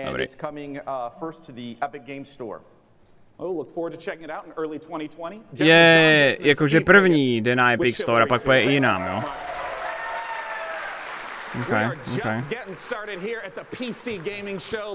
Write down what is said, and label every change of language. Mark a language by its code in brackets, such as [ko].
[en] And it's coming first to the Epic Games Store. Oh, look forward to checking it out in early 2020. [cs] Je, jakože první jde na Epic Store a pak půjde i jinam, jo. [en] Okay, okay. Just getting started here at the PC Gaming Show.